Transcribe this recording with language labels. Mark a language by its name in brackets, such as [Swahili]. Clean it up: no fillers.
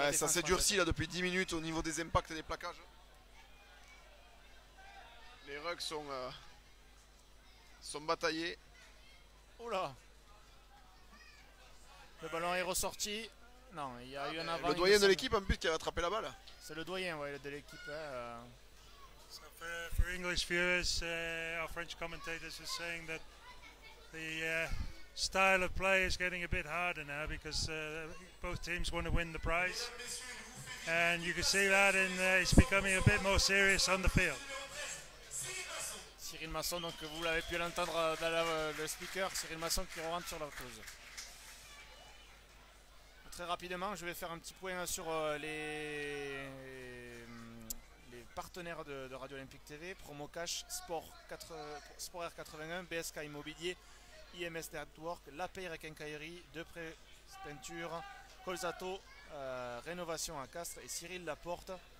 [French] Ouais, ça s'est durci là depuis 10 minutes au niveau des impacts et des plaquages. Les rucks sont bataillés. Oula! Le ballon est ressorti. Non, il y a eu un avant. Le doyen de l'équipe en plus qui a attrapé la balle. C'est le doyen, ouais, de l'équipe. Hein. [English] So for English viewers, our French commentators are saying that the style of play is getting a bit harder now because both teams want to win the prize. And you can see that in it's becoming a bit more serious on the field. [French] Cyril Masson, donc vous l'avez pu l'entendre dans le speaker, Cyril Masson qui rentre sur la pause. Très rapidement, je vais faire un petit point sur les partenaires de Radio Olympique TV, Promo Cash, Sport R81, BSK Immobilier, IMS Network, La Paire et Quincaillerie, Depré Peinture, Colzato, Rénovation à Castres et Cyril Laporte.